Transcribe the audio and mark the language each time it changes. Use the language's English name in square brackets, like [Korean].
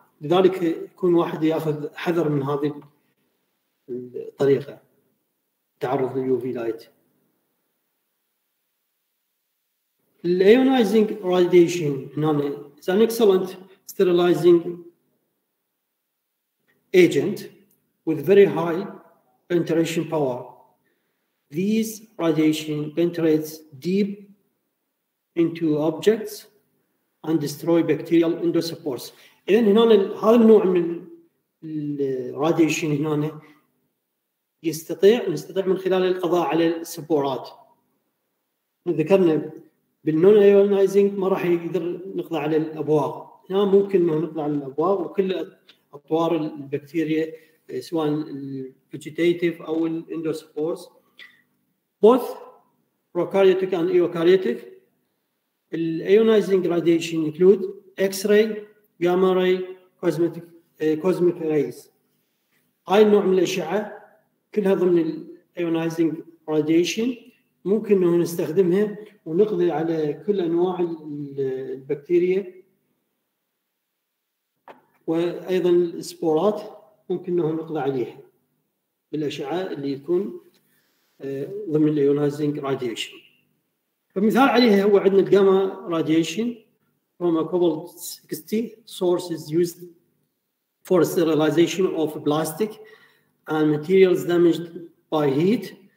[Arabic] لذلك يكون واحد يأخذ حذر من هذه الطريقة تعرض لليو في لايت. [English] الأيونايزينج راديشن هنا is an excellent sterilizing agent with very high penetration power. These radiation penetrates deep into objects and destroy bacterial endospores. [Arabic] إذن هنا هذا النوع من الراديشن هنا نستطيع من خلال القضاء على السبورات. ذكرنا بالنون ايونايزنج ما راح يقدر نقضى على الابواب، هنا ممكن انه نقضى على الابواب وكل اطوار البكتيريا سواء الفيجيتيتيف او الاندوسبورز [English] Both prokaryotic and eukaryotic. الايونايزنج radiation include X ray, gamma ray, cosmic rays. [Arabic] هاي النوع من الاشعه كلها ضمن الايونايزنج راديشن ممكن انه نستخدمها ونقضي على كل انواع البكتيريا وايضا السبورات ممكن انه نقضي عليها بالاشعاع اللي يكون ضمن الايونايزنج راديشن. فمثال عليها هو عندنا الجاما راديشن [English] from a cobalt 60 sources used for sterilization of plastic and materials damaged by heat.